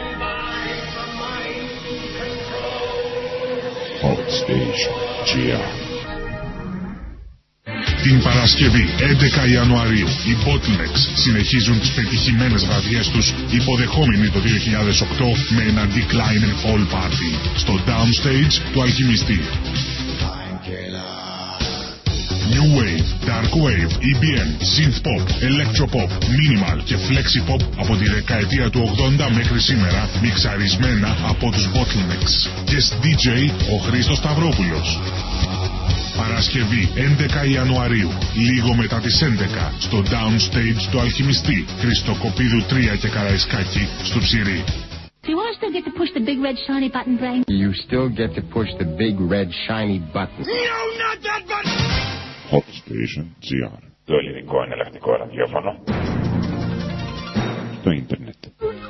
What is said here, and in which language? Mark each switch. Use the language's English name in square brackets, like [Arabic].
[Greek] Hot Station GR. Την Παρασκευή 11 Ιανουαρίου οι Bottlenecks συνεχίζουν τις πετυχημένες βραδιές τους υποδεχόμενοι το 2008 με ένα Decline and Fall Party στο Downstage του Αλχημιστή. New Wave, Dark Wave, EBM, Synth Pop, Electro Pop, Minimal και Flexi Pop από τη δεκαετία του 80 μέχρι σήμερα μιξαρισμένα από τους Bottlenecks. Και DJ ο Χρήστος Σταυρόπουλος. Παρασκευή 11 Ιανουαρίου, λίγο μετά τις 11, στο Downstage του Αλχημιστή, Χριστοκοπίδου 3 και Καραϊσκάκη, στο Ψηρή. [English] Do you want to still get to push the big red shiny button, Brain? You still get to push the big red shiny button. No, not that button! [Greek] Hot Station GR. Το ελληνικό εναλλακτικό ραδιόφωνο. Στο ίντερνετ.